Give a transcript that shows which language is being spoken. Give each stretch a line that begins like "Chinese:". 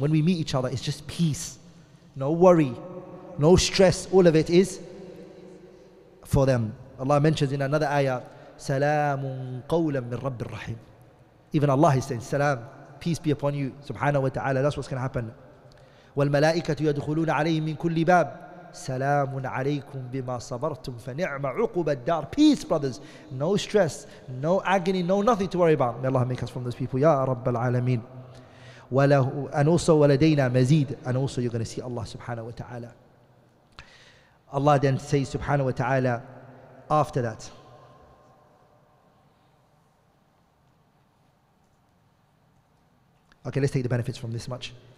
English: When we meet each other, it's just peace. No worry, no stress. All of it is for them. Allah mentions in another ayah,
Arabic: سَلَامٌ قَوْلًا مِّن رَبِّ الرَّحِيمِ.
English: Even Allah is saying, salam, peace be upon you. Subhanahu wa ta'ala, that's what's going to happen.
Arabic: وَالْمَلَائِكَةُ يَدْخُلُونَ عَلَيْهِمْ مِّن كُلِّ بَابٍ. سلام عليكم بما صبرتم فنعم عقب الدار.
English: Peace, brothers. No stress, no agony, no nothing to worry about. May Allah make us from those people. Ya Rabbal Alameen. and also
Arabic: waladayna mazid,
English: and also you're going to see Allah subhanahu wa ta'ala. Allah then says subhanahu wa ta'ala after that, okay, let's take the benefits from this much.